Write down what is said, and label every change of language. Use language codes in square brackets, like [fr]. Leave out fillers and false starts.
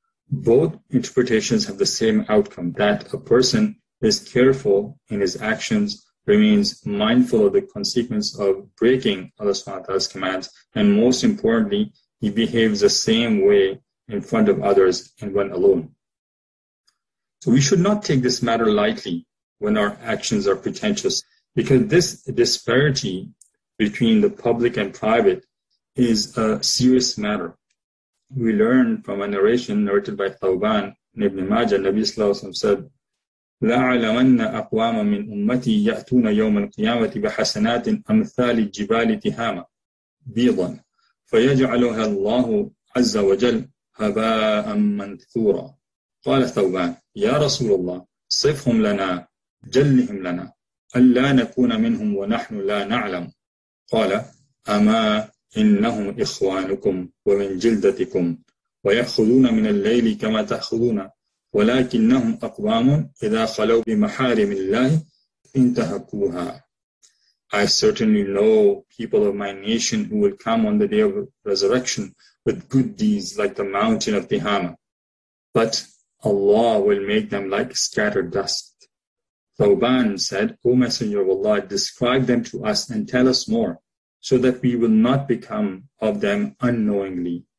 [en] Both interpretations have the same outcome, that a person is careful in his actions, remains mindful of the consequence of breaking Allah subhanahu wa ta'ala's commands, and most importantly, he behaves the same way in front of others and when alone. So we should not take this matter lightly when our actions are pretentious, because this disparity between the public and private is a serious matter. We learn from a narration narrated by Thawban ibn Majah, Nabi sallallahu alaihi wasallam said, [ar] لَعَلَمَنَّ أَقْوَامًا مِنْ أُمَّتِي يَأْتُونَ يَوْمَ الْقِيَامَةِ بِحَسَنَاتٍ أَمْثَالِ الْجِبَالِ تِهَامًا بِيضًا فَيَجْعَلُهَا اللَّهُ عَزَّ وَجَلْ هَبَاءً مَنْثُورًا. قال ثوبان يا رسول الله صفهم لنا جلهم لنا ألا نكون منهم ونحن لا نعلم. قال أما إنهم إخوانكم ومن جلدتكم ويأخذون من الليل كما تأخذون ولكنهم أقوام إذا خلوا بمحارم الله انتهكوها. [en] I certainly know people of my nation who will come on the day of resurrection with good deeds like the mountain of Tihama, but Allah will make them like scattered dust. Thawban said, O Messenger of Allah, describe them to us and tell us more, so that we will not become of them unknowingly.